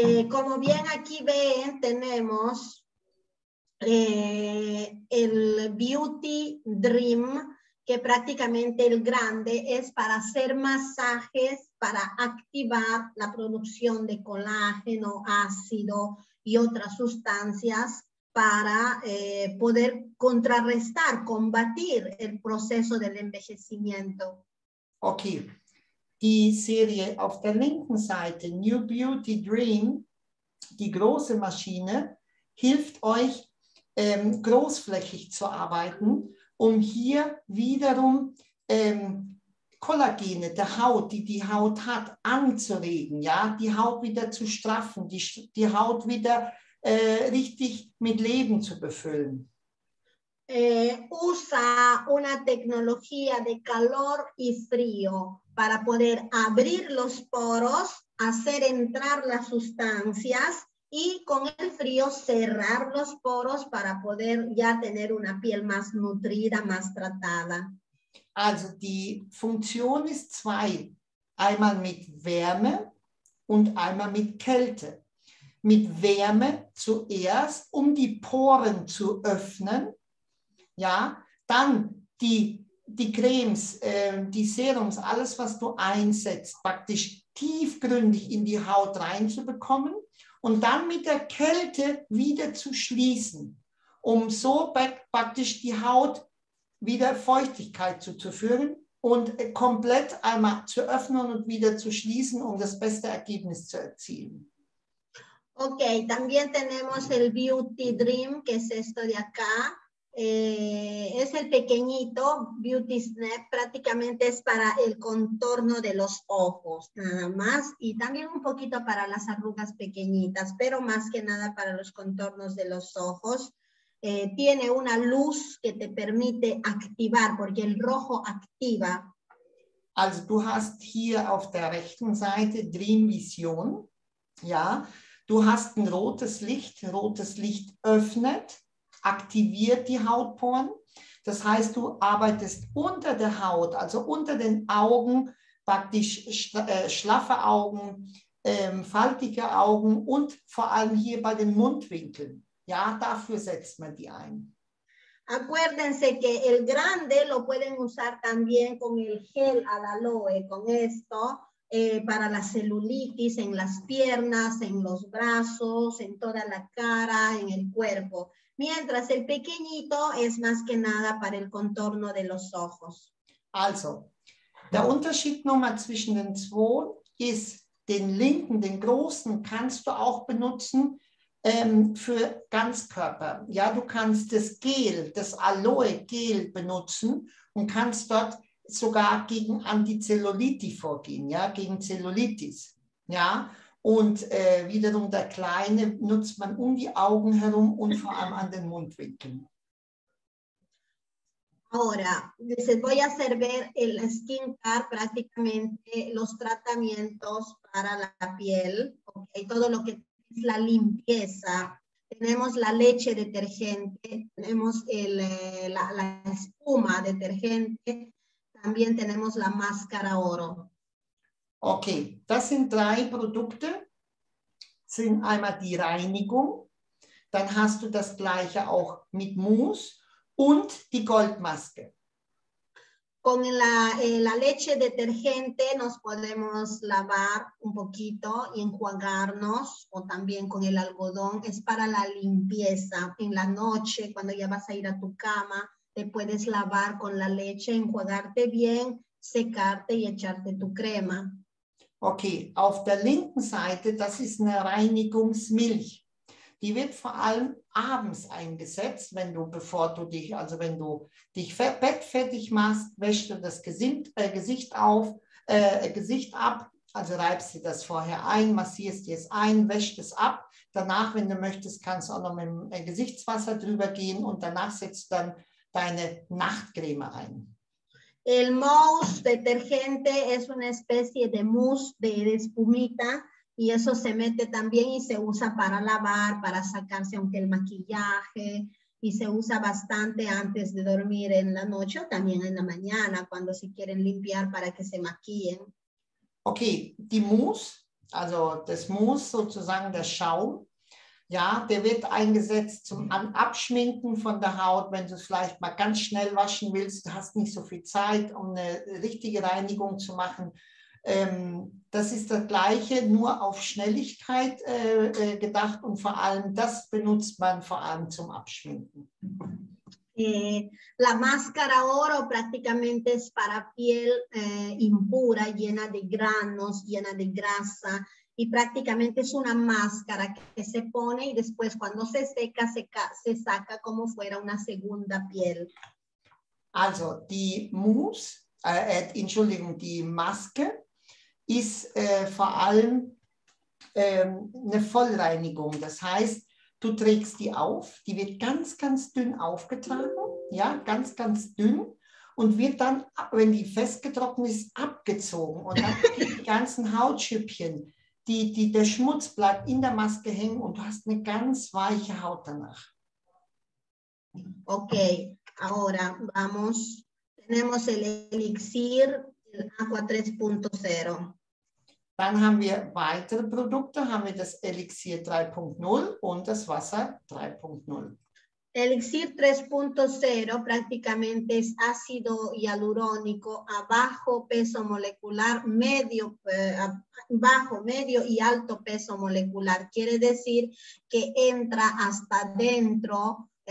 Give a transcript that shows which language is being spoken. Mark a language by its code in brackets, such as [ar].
[es] Como bien aquí ven, tenemos el Beauty Dream, que prácticamente el grande es para hacer masajes, para activar la producción de colágeno, ácido y otras sustancias para poder contrarrestar, combatir el proceso del envejecimiento. Okay. [de] Die Serie auf der linken Seite, New Beauty Dream, die große Maschine, hilft euch, großflächig zu arbeiten, um hier wiederum Kollagene der Haut, die die Haut hat, anzuregen, ja, die Haut wieder zu straffen, die Haut wieder richtig mit Leben zu befüllen. [es] Usa una tecnología de calor y frío para poder abrir los poros, hacer entrar las sustancias y con el frío cerrar los poros para poder ya tener una piel más nutrida, más tratada. [de] Also die Funktion ist zwei, einmal mit Wärme und einmal mit Kälte. Mit Wärme zuerst, um die Poren zu öffnen. Ja, dann die Cremes, die Serums, alles, was du einsetzt, praktisch tiefgründig in die Haut reinzubekommen und dann mit der Kälte wieder zu schließen, um so praktisch die Haut wieder Feuchtigkeit zuzuführen und komplett einmal zu öffnen und wieder zu schließen, um das beste Ergebnis zu erzielen. [es] Okay, también tenemos el Beauty Dream, que es esto de acá. Es el pequeñito Beauty Snap, prácticamente es para el contorno de los ojos, nada más, y también un poquito para las arrugas pequeñitas, pero más que nada para los contornos de los ojos. Tiene una luz que te permite activar, porque el rojo activa. [de] Also du hast hier auf der rechten Seite Dream Vision, ja, du hast ein rotes Licht öffnet, aktiviert die Hautporen. Das heißt, du arbeitest unter der Haut, also unter den Augen, praktisch schlaffe Augen, faltige Augen und vor allem hier bei den Mundwinkeln. Ja, dafür setzt man die ein. [es] Acuérdense que el grande lo pueden usar también con el gel al aloe, con esto, para la celulitis en las piernas, en los brazos, en toda la cara, en el cuerpo. Mientras el pequeñito es más que nada para el contorno de los ojos. [de] Also, der Unterschied nochmal zwischen den zwei ist, den linken, den großen, kannst du auch benutzen für Ganzkörper. Ja, du kannst das Gel, das Aloe-Gel benutzen und kannst dort sogar gegen Antizellulitis vorgehen, ja, gegen Zellulitis, ja. Und wiederum der Kleine nutzt man um die Augen herum und vor allem an den Mundwinkeln. [es] Ahora, les voy a hacer ver el skincare, prácticamente los tratamientos para la piel, okay, todo lo que es la limpieza. Tenemos la leche detergente, tenemos la espuma detergente, también tenemos la máscara oro. [de] Okay, das sind drei Produkte, sind einmal die Reinigung, dann hast du das gleiche auch mit Mousse und die Goldmaske. [es] Con la leche detergente nos podemos lavar un poquito y enjuagarnos, o también con el algodón, es para la limpieza. En la noche, cuando ya vas a ir a tu cama, te puedes lavar con la leche, enjuagarte bien, secarte y echarte tu crema. [de] Okay, auf der linken Seite, das ist eine Reinigungsmilch. Die wird vor allem abends eingesetzt, wenn du dich bettfertig machst, wäschst du das Gesicht ab, also reibst dir das vorher ein, massierst dir es ein, wäschst es ab. Danach, wenn du möchtest, kannst du auch noch mit dem Gesichtswasser drüber gehen und danach setzt du dann deine Nachtcreme ein. [es] El mousse detergente es una especie de mousse de espumita y eso se mete también y se usa para lavar, para sacarse aunque el maquillaje y se usa bastante antes de dormir en la noche o también en la mañana cuando se quieren limpiar para que se maquillen. [de] Okay, die Mousse, also das Mousse sozusagen der Schaum, ja, der wird eingesetzt zum Abschminken von der Haut, wenn du es vielleicht mal ganz schnell waschen willst, du hast nicht so viel Zeit, um eine richtige Reinigung zu machen. Das ist das Gleiche, nur auf Schnelligkeit gedacht und vor allem, das benutzt man vor allem zum Abschminken. [es] La máscara oro prácticamente es para piel impura, llena de granos, llena de grasa. Y prácticamente es una máscara que se pone y después cuando se seca, se saca como fuera una segunda piel. [de] Also, die Mousse, Entschuldigung, die Maske ist vor allem eine Vollreinigung. Das heißt, du trägst die auf, die wird ganz, ganz dünn aufgetragen, ja, ganz, ganz dünn. Und wird dann, wenn die festgetrocknet ist, abgezogen und dann die ganzen Hautschüppchen. Der Schmutz bleibt in der Maske hängen und du hast eine ganz weiche Haut danach. [es] Okay, ahora vamos. Tenemos el Elixir, el Aqua 3.0. [de] Dann haben wir weitere Produkte, haben wir das Elixir 3.0 und das Wasser 3.0. [es] Elixir 3.0 prácticamente es ácido hialurónico a bajo peso molecular, medio y alto peso molecular. Quiere decir que entra hasta dentro